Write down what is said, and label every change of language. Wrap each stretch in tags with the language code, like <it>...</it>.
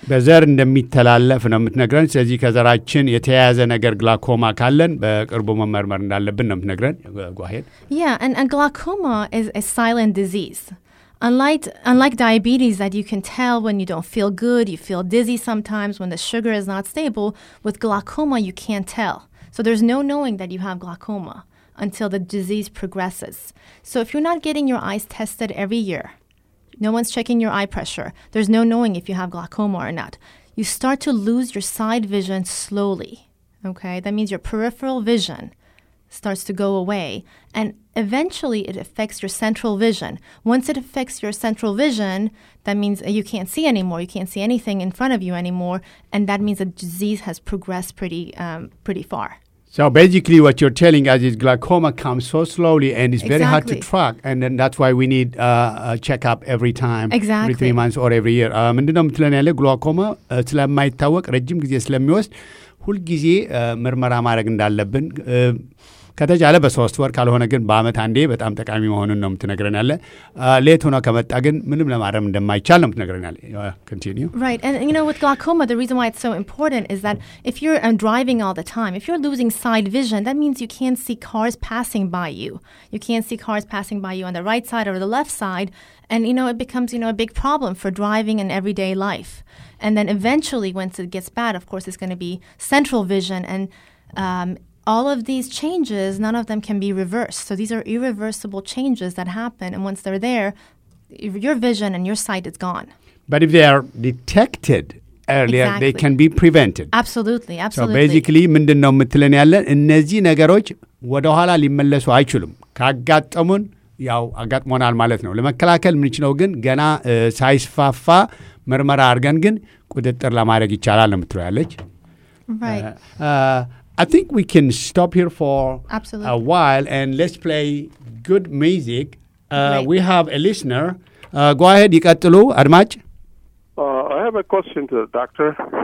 <am>በዘር እንደሚተላለፍ ነው የምትነግረን ስለዚህ ከዘራችን የተያዘ ነገር glaucoma ካለን በቅርቡ መመርመር እንዳለብን ነው የምትነግረን ጓሄድ</am> <en>Yeah and glaucoma is a silent disease. Unlike diabetes that you can tell when you don't feel good, you feel dizzy sometimes when the sugar is not stable, with glaucoma you can't tell. So there's no knowing that you have glaucoma until the disease progresses. So if you're not getting your eyes tested every year, no one's checking your eye pressure. There's no knowing if you have glaucoma or not. You start to lose your side vision slowly, okay? That means your peripheral vision starts to go away, and eventually it affects your central vision. Once it affects your central vision, that means you can't see anymore. You can't see anything in front of you anymore, and that means the disease has progressed pretty far. So basically what you're telling us is glaucoma comes so slowly and it's very hard to track. And then that's why we need a checkup every time, every 3 months or every year.</en> <am>ምንድነው የምትለን ያለ glaucoma ስለማይታወቅ ረጅም ጊዜ ስለሚወስድ ሁልጊዜ ምርመራ ማድረግ እንዳለብን ከተቻለ በሶስት ወር ካልሆነ ግን በአመት አንዴ በጣም ጠቃሚ መሆኑን ነው የምትነግረን ያለ ሌት ሆኖ ከመጣ ግን ምንም ለማድረግ እንደማይቻል ነው የምትነግረን ያለ</am> <en>continue right and you know with glaucoma the reason why it's so important is that if you're driving all the time if you're losing side vision that means you can't see cars passing by you you can't see cars passing by you on the right side or the left side and you know it becomes you know a big problem for driving in everyday life and then eventually once it gets bad of course it's going to be central vision and all of these changes, none of them can be reversed. So these are irreversible changes that happen. And once they're there, your vision and your sight is gone. But if they are detected earlier, exactly. they can be prevented. Absolutely, absolutely. So basically,</en> <am>ምንድን ነው የምትለን ያለ እነዚህ ነገሮች ወደኋላ ሊመለሱ አይችሉም ካጋጠሙን ያው አጋጥሞናል ማለት ነው ለመከላከል ምንችነው ግን ገና ሳይስፋፋ ምርመራ አድርገን ግን ቁጥጥር ለማድረግ ይቻላል ነው የምትለው ያለች</am> <en>Right. I think we can stop here for Absolutely. A while and let's play good music. We have a listener. Go ahead,</en> <am>ይቀጥሉ አድማጭ.</am> <en>I have a question to the doctor.</en>